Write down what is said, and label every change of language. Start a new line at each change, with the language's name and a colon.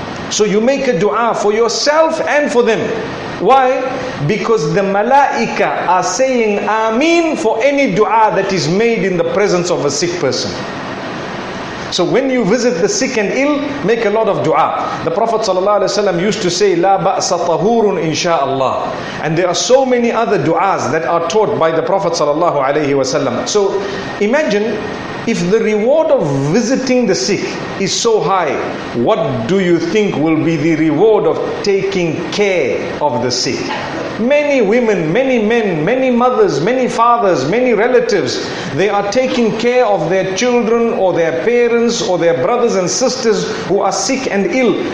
English: So you make a dua for yourself and for them. Why? Because the malaika are saying ameen for any dua that is made in the presence of a sick person. So when you visit the sick and ill, make a lot of dua. The Prophet ﷺ used to say,
Arabic: لا بأس طهور إن شاء الله.
English: And there are so many other duas that are taught by the Prophet ﷺ. So imagine, if the reward of visiting the sick is so high, what do you think will be the reward of taking care of the sick? Many women, many men, many mothers, many fathers, many relatives, they are taking care of their children or their parents or their brothers and sisters who are sick and ill.